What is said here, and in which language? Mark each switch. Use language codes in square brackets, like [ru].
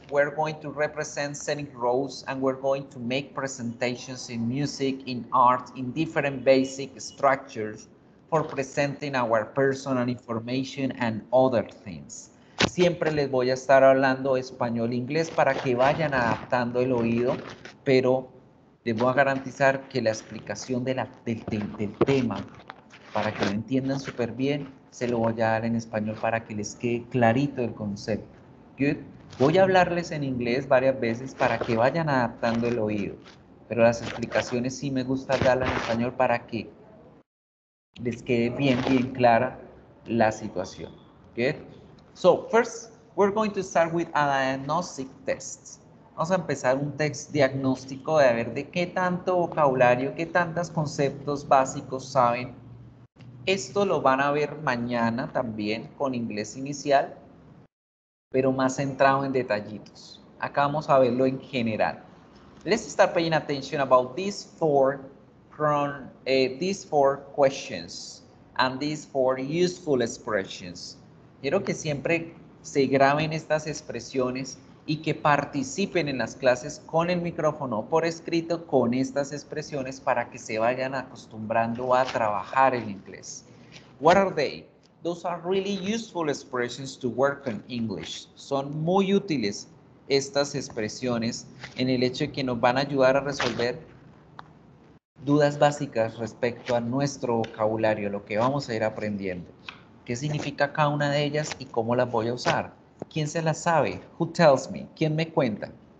[en] We're going to represent scenic roles and we're going to make presentations in music, in art, in different basic structures for presenting our personal information and other things. [es] Siempre les voy a estar hablando español-inglés para que vayan adaptando el oído, pero les voy a garantizar que la explicación del tema, para que lo entiendan súper bien, se lo voy a dar en español para que les quede clarito el concepto. [en] Good. [es] Voy a hablarles en inglés varias veces para que vayan adaptando el oído, pero las explicaciones sí me gusta darlas en español para que les quede bien, bien clara la situación. [en] Good. So, first, we're going to start with a diagnostic test. [es] Vamos a empezar un test diagnóstico de a ver de qué tanto vocabulario, qué tantos conceptos básicos saben. Esto lo van a ver mañana también con inglés inicial, pero más centrado en detallitos. Acá vamos a verlo en general. [en] Let's start paying attention about these four questions and these four useful expressions. [es] Quiero que siempre se graben estas expresiones y que participen en las clases con el micrófono o por escrito con estas expresiones para que se vayan acostumbrando a trabajar en inglés. [en] What are they? Those are really useful expressions to work in English. [es] Son muy útiles estas expresiones en el hecho de que nos van a ayudar a resolver dudas básicas respecto a nuestro vocabulario, lo que vamos a ir aprendiendo. ¿Qué significa cada una de ellas y cómo las voy a usar? ¿Quién se la sabe? [en] Who tells me? [es] ¿Quién me cuenta?